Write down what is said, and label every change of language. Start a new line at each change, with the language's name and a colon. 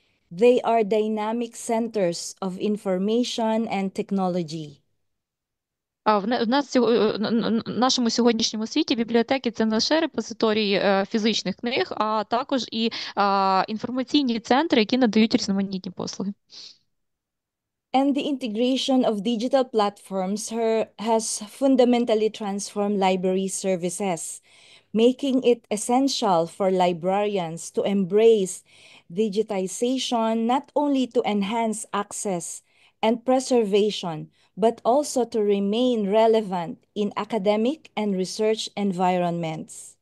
English: They are dynamic centers of information and technology.
Ukrainian: В нашому сьогоднішньому світі бібліотеки – це не лише репозиторії фізичних книг, а також і інформаційні центри, які надають різноманітні послуги.
English: And the integration of digital platforms has fundamentally transformed library services, making it essential for librarians to embrace digitization not only to enhance access and preservation, but also to remain relevant in academic and research environments.